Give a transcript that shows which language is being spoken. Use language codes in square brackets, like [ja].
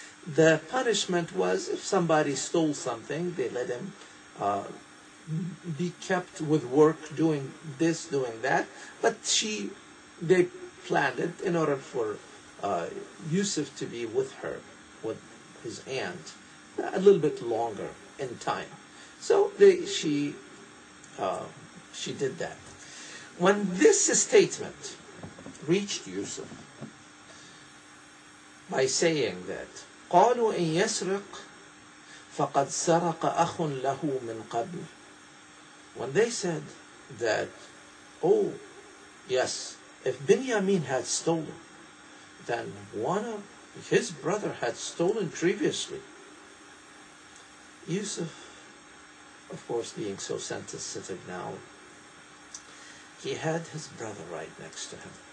[en] The punishment was if somebody stole something, they let him be kept with work, doing this, doing that. But they planned it in order for Yusuf to be with her, with his aunt, a little bit longer in time. So she did that. When this statement reached Yusuf, by saying that, [ar] قالوا إن يسرق فقد سرق أخ له من قبل. [en] When they said that, oh, yes, if Benjamin had stolen, then one of his brother had stolen previously. Yusuf, of course, being so sensitive now, he had his brother right next to him.